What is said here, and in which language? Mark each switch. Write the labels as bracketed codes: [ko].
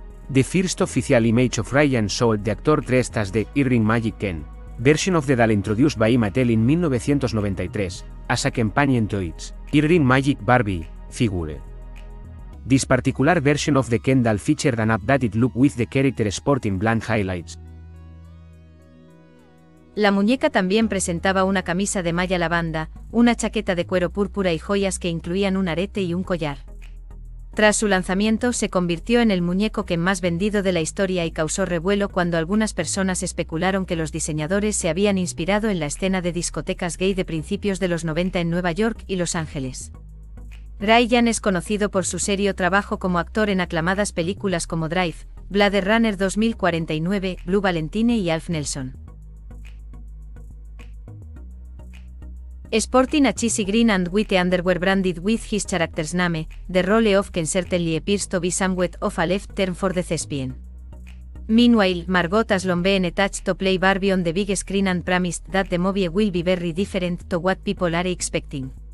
[en] The first official image of Ryan showed the actor dressed as the Earring Magic Ken, version of the doll introduced by Mattel in 1993, as a companion to its Earring Magic Barbie figure. This particular version of the Ken doll featured an updated look with the character sporting blonde highlights. [es] La muñeca también presentaba una camisa de malla lavanda, una chaqueta de cuero púrpura y joyas que incluían un arete y un collar. Tras su lanzamiento, se convirtió en el muñeco Ken más vendido de la historia y causó revuelo cuando algunas personas especularon que los diseñadores se habían inspirado en la escena de discotecas gay de principios de los 90 en Nueva York y Los Ángeles. Ryan es conocido por su serio trabajo como actor en aclamadas películas como Drive, Blade Runner 2049, Blue Valentine y Alf Nelson. [en] Sporting a cheesy green and white underwear branded with his character's name, the role of Ken certainly appears to be somewhat of a left turn for the thespian. Meanwhile, Margot has long been attached to play Barbie on the big screen and promised that the movie will be very different to what people are expecting.